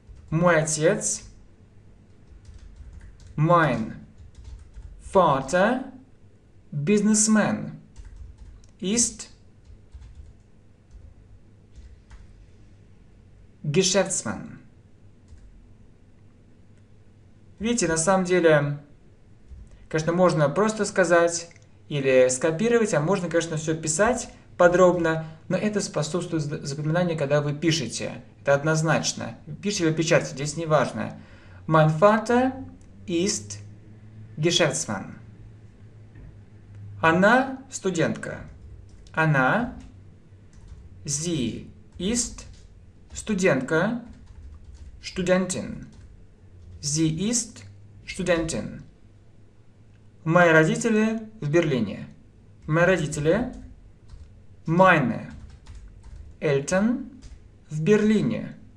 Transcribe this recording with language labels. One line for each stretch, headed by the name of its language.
Russian: Мой отец,
German: mein Vater,
Russian: бизнесмен,
German: ist, Geschäftsmann.
Russian: Видите, на самом деле, конечно, можно просто сказать или скопировать, а можно, конечно, все писать подробно, но это способствует запоминанию, когда вы пишете. Это однозначно. Пишите или печатайте, здесь не важно.
German: Mein Vater ist Geschäftsmann.
Russian: Она студентка. Она,
German: sie ist
Russian: студентка, студентин.
German: Sie ist студентин.
Russian: Мои родители в Берлине. Мои родители,
German: meine Eltern
Russian: в Берлине.